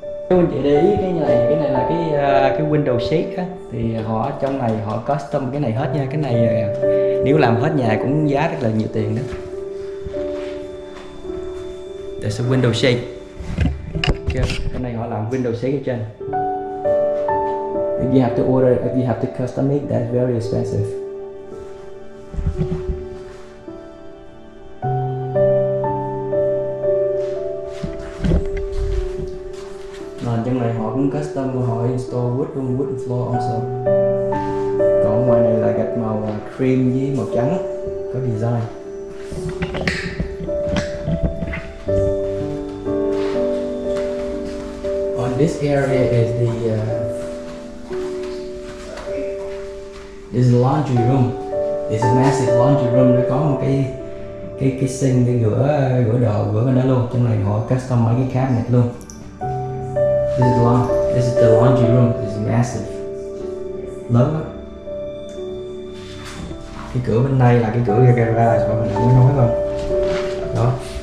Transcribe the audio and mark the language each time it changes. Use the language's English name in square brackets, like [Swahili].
[Vietnamese] Nếu anh chị để ý cái này là cái window sheet á, thì họ trong này họ custom cái này hết nha. Cái này nếu làm hết nhà cũng giá rất là nhiều tiền đó. [English] There's a window sheet. [Vietnamese] Cái này họ làm window sheet ở trên. [English] If you have to order, if you have to custom it, that's very expensive. [Vietnamese] Trong này họ cũng custom, họ install wood luôn, [English] wood floor also. [Vietnamese] Còn ngoài này là gạch màu cream với màu trắng, có design. [English] On this area is the this is laundry room. This is a massive laundry room. [Vietnamese] Nó có một cái sink để rửa đồ, rửa bên đó luôn. Trong này họ custom mấy cái cabinet luôn. [English] This is the laundry room. It's massive. [Vietnamese] Lớn lắm. Cái cửa bên đây là cái cửa garage mà mình đã nói rồi. Đó.